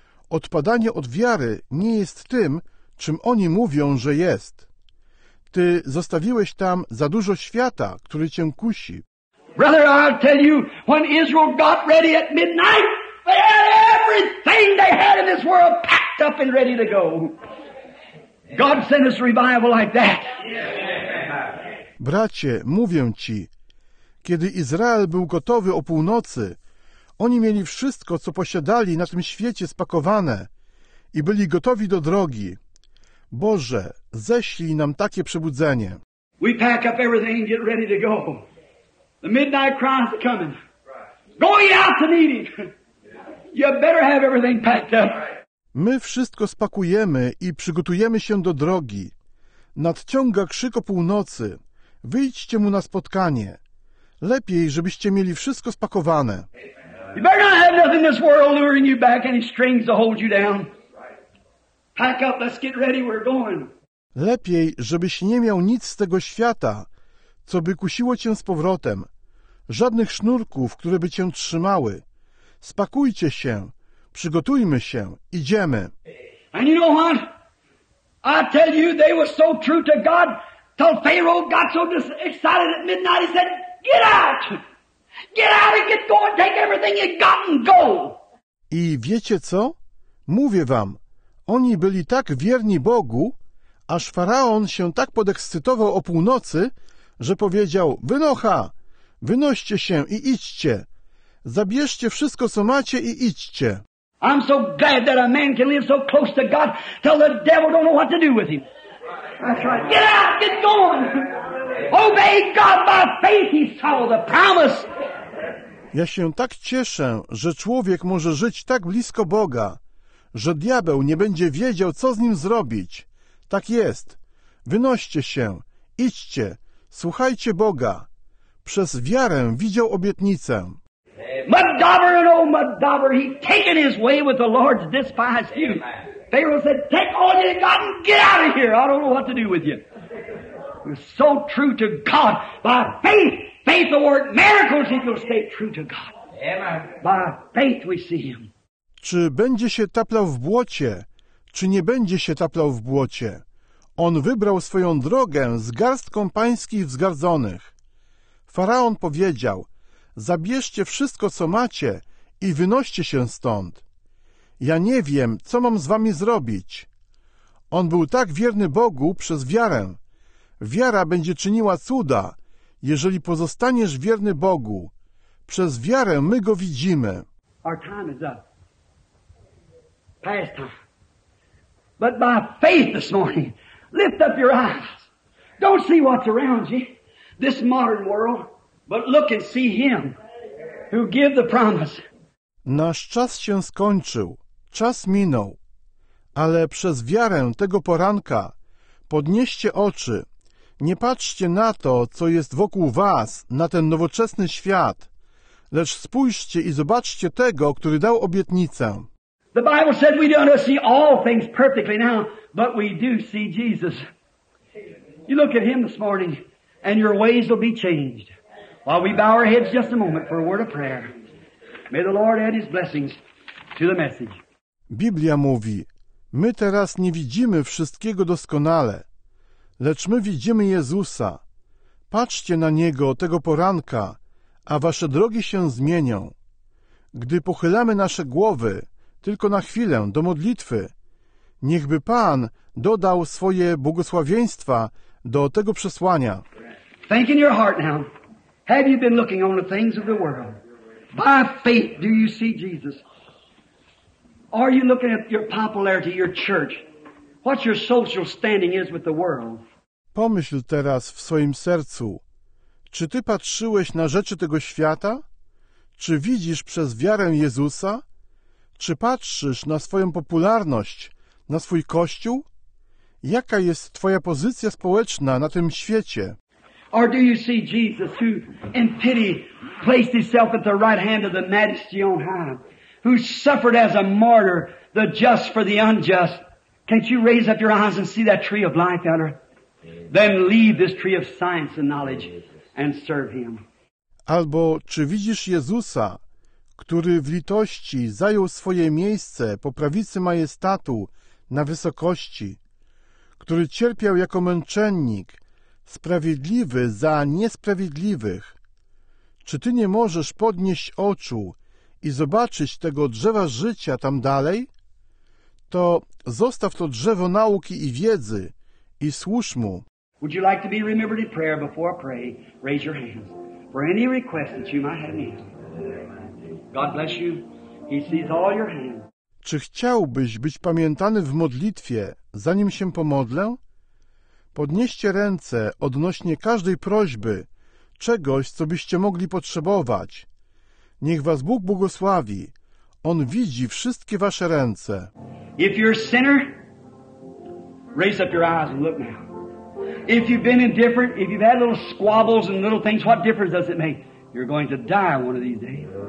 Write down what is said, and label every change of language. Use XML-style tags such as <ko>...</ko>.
<pl>Odpadanie od wiary nie jest tym, czym oni mówią, że jest. Ty zostawiłeś tam za dużo świata, który cię kusi.</pl> <en>Brother, I'll tell you, when Israel got ready at midnight, they had everything they had in this world packed up and ready to go. God sent us revival like that.</en> <pl>Bracie, mówię ci, kiedy Izrael był gotowy o północy, oni mieli wszystko, co posiadali na tym świecie spakowane i byli gotowi do drogi. Boże, ześlij nam takie przebudzenie.</pl> <en>We pack up everything and get ready to go. The midnight cry is coming. Go ye out to meet him. You better have everything packed up.</en> <pl>My wszystko spakujemy i przygotujemy się do drogi. Nadciąga krzyk o północy. Wyjdźcie mu na spotkanie. Lepiej, żebyście mieli wszystko spakowane.</pl> <en>You better not have nothing in this world luring you back, any strings to hold you down. Pack up, let's get ready, we're going.</en> <pl>Lepiej, żebyś nie miał nic z tego świata, co by kusiło cię z powrotem. Żadnych sznurków, które by cię trzymały. Spakujcie się, przygotujmy się, idziemy.</pl> <en>And you know what? I tell you, they were so true to God, till Pharaoh got so excited at midnight, he said, get out! Get out and get going, take everything you got and go!</en> <pl>I wiecie co? Mówię wam, oni byli tak wierni Bogu, aż Faraon się tak podekscytował o północy, że powiedział, wynocha, wynoście się i idźcie. Zabierzcie wszystko, co macie i idźcie.</pl> <en>I'm so glad that a man can live so close to God till the devil don't know what to do with him. That's right. Get out, get going! Obey God by faith, he saw the promise!</en> <pl>Ja się tak cieszę, że człowiek może żyć tak blisko Boga, że diabeł nie będzie wiedział, co z nim zrobić. Tak jest. Wynoście się. Idźcie. Słuchajcie Boga. Przez wiarę widział obietnicę.</pl> <en>Madaber and old Madaber, he taken his way with the Lord's despised you. Pharaoh said, take all you got and get out of here. I don't know what to do with you. You're so true to God. By faith. Faith will work miracles if you'll stay true to God. By faith we see him.</en> <pl>Czy będzie się taplał w błocie, czy nie będzie się taplał w błocie? On wybrał swoją drogę z garstką pańskich wzgardzonych. Faraon powiedział, zabierzcie wszystko, co macie i wynoście się stąd. Ja nie wiem, co mam z wami zrobić. On był tak wierny Bogu przez wiarę. Wiara będzie czyniła cuda, jeżeli pozostaniesz wierny Bogu. Przez wiarę my go widzimy.</pl> <en>Our time is up. Past time. But by faith this morning, lift up your eyes. Don't see what's around you, this modern world, but look and see him who give the promise.</en> <pl>Nasz czas się skończył, czas minął, ale przez wiarę tego poranka podnieście oczy. Nie patrzcie na to, co jest wokół was, na ten nowoczesny świat, lecz spójrzcie i zobaczcie tego, który dał obietnicę.</pl> <en>The Bible said we don't see all things perfectly now, but we do see Jesus. You look at him this morning, and your ways will be changed. While we bow our heads just a moment for a word of prayer. May the Lord add his blessings to the message.</en> <pl>Biblia mówi, my teraz nie widzimy wszystkiego doskonale, lecz my widzimy Jezusa. Patrzcie na Niego tego poranka, a wasze drogi się zmienią. Gdy pochylamy nasze głowy, tylko na chwilę, do modlitwy, niechby Pan dodał swoje błogosławieństwa do tego przesłania.</pl> <en>Think in your heart now. Have you been looking on the things of the world? By faith do you see Jesus? Are you looking at your popularity, your church? What your social standing is with the world?</en> <pl>Pomyśl teraz w swoim sercu. Czy ty patrzyłeś na rzeczy tego świata? Czy widzisz przez wiarę Jezusa? Czy patrzysz na swoją popularność, na swój kościół? Jaka jest twoja pozycja społeczna na tym świecie?</pl> <en>Or do you see Jesus who in pity placed himself at the right hand of the majesty on high, who suffered as a martyr, the just for the unjust? Can't you raise up your eyes and see that tree of life, Elder? Then leave this tree of science and knowledge and serve him.</en> <pl>Albo czy widzisz Jezusa, który w litości zajął swoje miejsce po prawicy majestatu na wysokości, który cierpiał jako męczennik, sprawiedliwy za niesprawiedliwych? Czy ty nie możesz podnieść oczu i zobaczyć tego drzewa życia tam dalej? To zostaw to drzewo nauki i wiedzy i służ mu.</pl> <en>Would you like to be remembered in prayer before I pray? Raise your hands for any request that you might have need. God bless you. He sees all your hands.</en> <pl>Czy chciałbyś być pamiętany w modlitwie, zanim się pomodlę? Podnieście ręce odnośnie każdej prośby, czegoś, co byście mogli potrzebować. Niech was Bóg błogosławi. On widzi wszystkie wasze ręce.</pl> <en>If you're a sinner, raise up your eyes and look now. If you've been indifferent, if you've had little squabbles and little things, what difference does it make? You're going to die one of these days.</en>